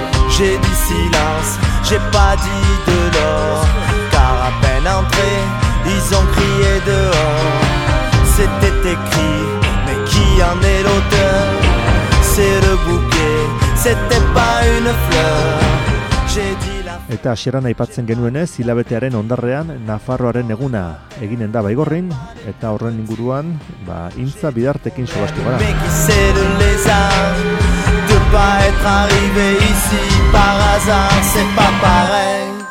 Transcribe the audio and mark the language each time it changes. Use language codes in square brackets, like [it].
[fr] J'ai dit silence, j'ai pas dit de l'or. À peine entrés, ils ont crié dehors. C'était écrit, mais qui en est l'auteur? C'est le bouquet, c'était pas une fleur. J'ai dit la fleur. [eu] Eta hasieran aipatzen genuenez, hilabetearen ondarrean Nafarroaren eguna eginen da Baigorrin, eta horren inguruan, ba, Intza Bidartekin solastu gara. [fr] Mais qui c'est le lézard de pas être arrivé ici par hasard, c'est pas pareil.